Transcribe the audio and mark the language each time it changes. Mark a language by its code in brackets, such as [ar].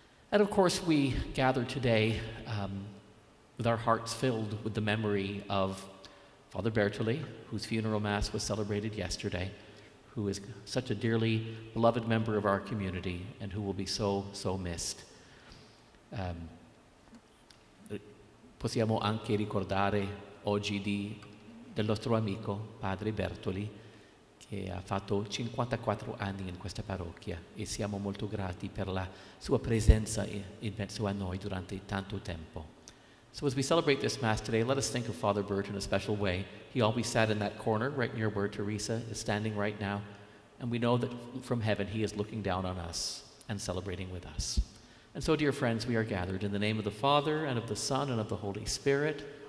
[en] And of course, we gather today with our hearts filled with the memory of Father Bertoli, whose funeral Mass was celebrated yesterday, who is such a dearly beloved member of our community and who will be so, so missed. [it] Possiamo anche ricordare oggi del nostro amico Padre Bertoli, che ha fatto 54 anni in questa parrocchia, e siamo molto grati per la sua presenza in mezzo a noi durante tanto tempo. [en] So as we celebrate this Mass today, let us think of Father Bert in a special way. He always sat in that corner right near where Teresa is standing right now, and we know that from heaven he is looking down on us and celebrating with us. And so, dear friends, we are gathered in the name of the Father, and of the Son, and of the Holy Spirit.